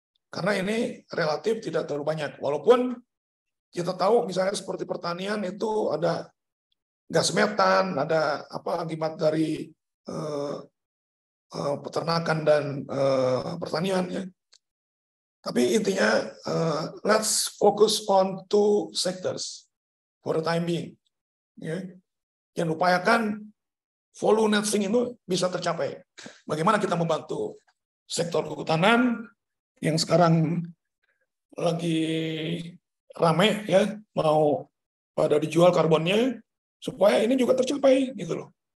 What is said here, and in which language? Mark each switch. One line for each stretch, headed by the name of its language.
Indonesian: Karena ini relatif tidak terlalu banyak. Walaupun kita tahu misalnya seperti pertanian itu ada gas metan, ada apa akibat dari peternakan dan pertanian ya. Tapi intinya
English: let's focus on two sectors for the time being.
Indonesian: Ya. Yang upayakan volume net sink itu bisa tercapai. Bagaimana kita membantu sektor kehutanan yang sekarang lagi rame ya, mau pada dijual karbonnya supaya ini juga tercapai gitu loh.